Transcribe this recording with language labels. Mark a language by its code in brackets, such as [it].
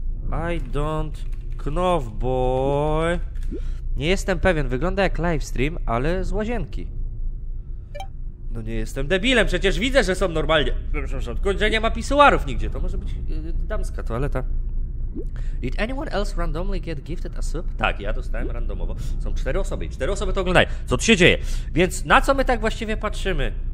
[en] I don't know, boy. [pl] Nie jestem pewien. Wygląda jak livestream, ale z łazienki. No nie jestem debilem. Przecież widzę, że są normalnie. Przepraszam, że nie ma pisuarów nigdzie. To może być damska toaleta. [en] Did anyone else randomly get gifted a sub? [pl] Tak, ja dostałem randomowo. Są cztery osoby i cztery osoby to oglądają. Co tu się dzieje? Więc na co my tak właściwie patrzymy?